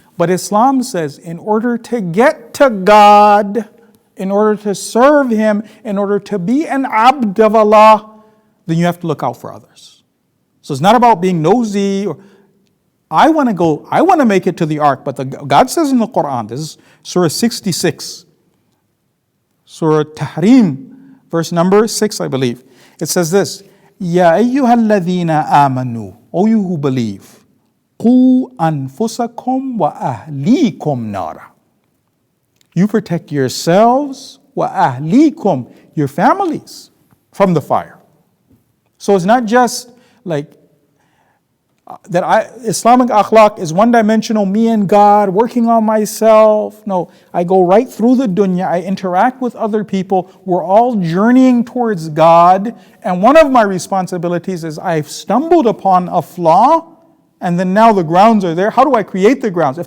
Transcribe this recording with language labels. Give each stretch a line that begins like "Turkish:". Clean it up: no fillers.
English: But Islam says, in order to get to God, in order to serve Him, in order to be an abd of Allah, then you have to look out for others. So it's not about being nosy, or I want to make it to the ark. But God says in the Quran, this is Surah 66, Surah Tahrim, verse number 6, I believe. It says this,
Arabic: يَا أَيُّهَا الَّذِينَ آمَنُوا,
English: O you who believe,
Arabic: قُوْ أَنفُسَكُمْ وَأَهْلِيكُمْ نَارًا.
English: You protect yourselves, وَأَهْلِيكُمْ, your families, from the fire. So it's not just like that Islamic akhlaq is one-dimensional, me and God, working on myself. No, I go right through the dunya, I interact with other people, we're all journeying towards God, and one of my responsibilities is I've stumbled upon a flaw, and then now the grounds are there. How do I create the grounds?